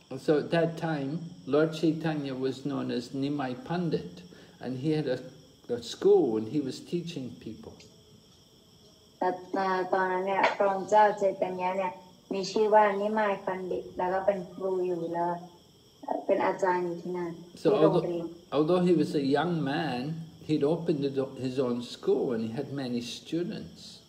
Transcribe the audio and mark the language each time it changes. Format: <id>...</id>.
<en>So at that time Lord Chaitanya was known as Nimai Pandit and he had a school and he was teaching people</en> <th>ตอนนั้นเนี่ยพระองค์เจ้าเจตัญญาเนี่ยมีชื่อว่านิมายปันดิตแล้วก็เป็นครูอยู่แล้วเป็นอาจารย์อยู่ที่นั่น ที่โรงเรียน</th> <en>although he was a young manHe'd opened his own school and he had many students.</en>